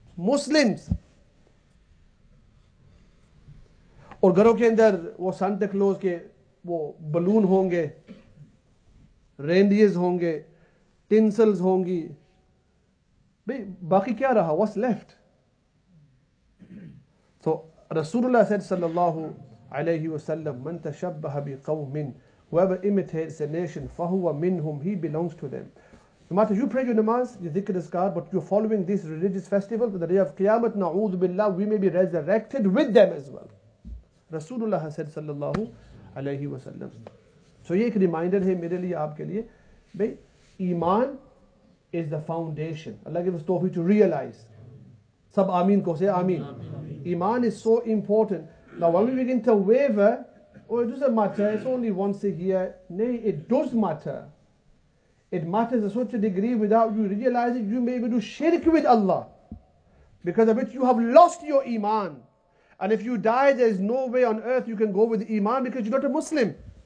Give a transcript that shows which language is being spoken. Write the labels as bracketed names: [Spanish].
[Urdu] Muslims اور گھروں کے اندر وہ سانتا کلوز کے وہ بلون ہوں گے, رینڈیئرز ہوں گے, ٹنسلز ہوں گی. بھائی باقی کیا رہا, واٹس لیفٹ؟ تو رسول اللہ صلی اللہ علیہ وسلم, من تشبہ بقوم, [English] whoever imitates a nation, [Urdu] فہو منہم, [English] he belongs to them. No matter you pray your namaz, your dhikr azkar, but you're following this religious festival, the day of qiyamah, na'udhu billah, we may be resurrected with them as well. [Urdu] رسول اللہ صلی اللہ علیہ وسلم. So یہ ایک reminder ہے میرے لیے, آپ کے لیے, بھئی ایمان [English] is the foundation. Allah give us توفیق to realize. سب آمین کو سے آمین. ایمان is so important. Now, when we begin to waver, oh, it doesn't matter, it's only once a year. Nay, it does matter. It matters to such a degree without you realizing you may be do shirk with Allah. Because of it, you have lost your iman. And if you die, there is no way on earth you can go with iman because you're not a Muslim.